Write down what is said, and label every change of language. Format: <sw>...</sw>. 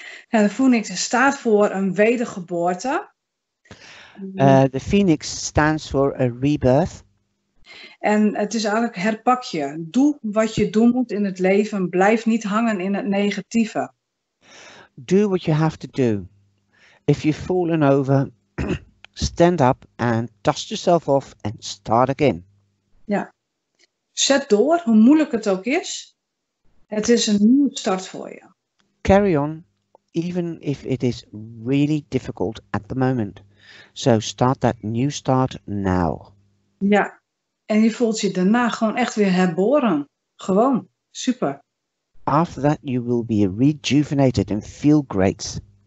<en>And the</en> <nl>phoenix staat voor een wedergeboorte.</nl> <en>The phoenix stands for a rebirth.</en> <nl>En het is eigenlijk herpak je. Doe wat je doen moet in het leven. Blijf niet hangen in het negatieve.</nl> <en>Do what you have to do. If you've fallen over, stand up and dust yourself off and start again.</en> <nl>Ja. Zet door, hoe moeilijk het ook is. Het is een nieuwe start voor je.</nl> <en>Carry on, even if it is really difficult at the moment. So start that new start now.</en> <nl>Ja. En je voelt je daarna gewoon echt weer herboren. Gewoon. Super.</nl> <en>After that, you will be rejuvenated and feel great.</en>